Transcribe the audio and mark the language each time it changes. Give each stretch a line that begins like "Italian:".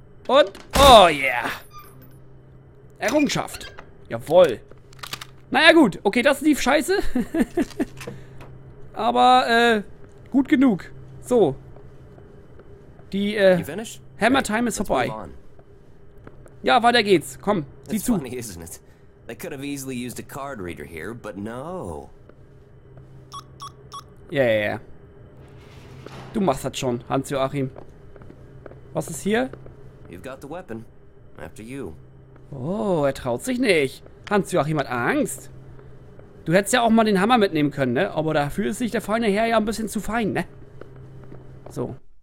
English: Oh yeah.
German: Errungenschaft. Jawohl. Naja gut, okay, das lief scheiße. Aber gut genug. So. Die Hammer Time ist vorbei. Ja, weiter geht's. Komm, sieh zu.
English: Funny, isn't it? They could have easily used a card reader here, but no. Yeah.
German: Du machst das schon, Hans-Joachim. Was ist hier?
English: You've got the weapon. After you.
German: Oh, er traut sich nicht. Hans-Joachim hat Angst. Du hättest ja auch mal den Hammer mitnehmen können, ne? Aber da fühlt sich der feine Herr ja ein bisschen zu fein, ne? So.